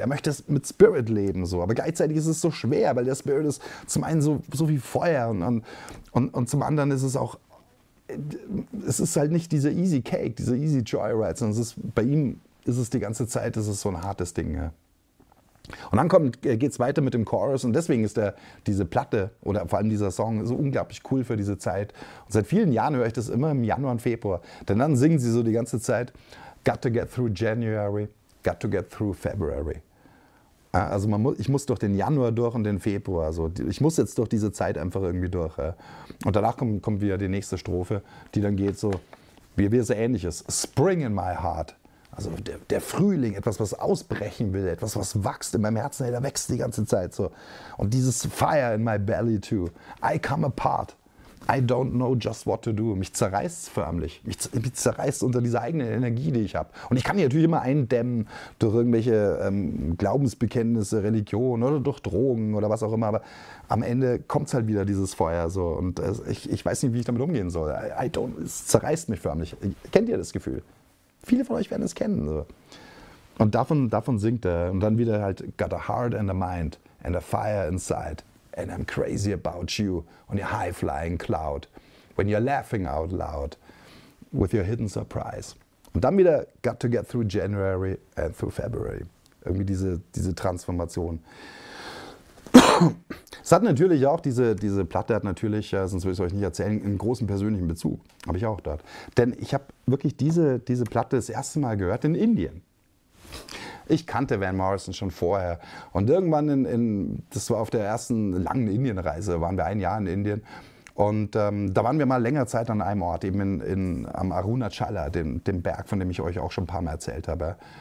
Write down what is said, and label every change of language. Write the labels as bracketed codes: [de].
[de] Er möchte mit Spirit leben. So. Aber gleichzeitig ist es so schwer, weil der Spirit ist zum einen so wie Feuer und zum anderen ist es auch, es ist halt nicht diese easy cake, diese easy joyride, sondern bei ihm ist es die ganze Zeit, es ist so ein hartes Ding. Ja. Und dann geht es weiter mit dem Chorus und deswegen ist diese Platte oder vor allem dieser Song so unglaublich cool für diese Zeit. Und seit vielen Jahren höre ich das immer im Januar und Februar. Denn dann singen sie so die ganze Zeit, [en] got to get through January, got to get through February. [de] Also ich muss durch den Januar durch und den Februar. Also ich muss jetzt durch diese Zeit einfach irgendwie durch. Und danach kommt wieder die nächste Strophe, die dann geht so, wie so ähnliches. [en] Spring in my heart. [de] Also der Frühling, etwas, was ausbrechen will, etwas, was wächst in meinem Herzen. Hey, da wächst die ganze Zeit so. Und dieses [en] Fire in my belly too. I come apart. I don't know just what to do. [de] Mich zerreißt es förmlich. Mich zerreißt unter dieser eigenen Energie, die ich habe. Und ich kann die natürlich immer eindämmen durch irgendwelche Glaubensbekenntnisse, Religion oder durch Drogen oder was auch immer. Aber am Ende kommt es halt wieder dieses Feuer. So. Und ich weiß nicht, wie ich damit umgehen soll. Es zerreißt mich förmlich. Kennt ihr das Gefühl? Viele von euch werden es kennen. So. Und davon singt er. Und dann wieder halt, [en] got a heart and a mind and a fire inside. And I'm crazy about you on your high-flying cloud. When you're laughing out loud with your hidden surprise. [de] Und dann wieder [en] got to get through January and through February. [de] Irgendwie diese Transformation. Es hat natürlich auch, diese Platte hat natürlich, sonst würde ich es euch nicht erzählen, einen großen persönlichen Bezug. Habe ich auch dort. Denn ich habe wirklich diese Platte das erste Mal gehört in Indien. Ich kannte Van Morrison schon vorher und irgendwann, das war auf der ersten langen Indienreise, waren wir ein Jahr in Indien und da waren wir mal länger Zeit an einem Ort, eben am Arunachala, dem Berg, von dem ich euch auch schon ein paar Mal erzählt habe.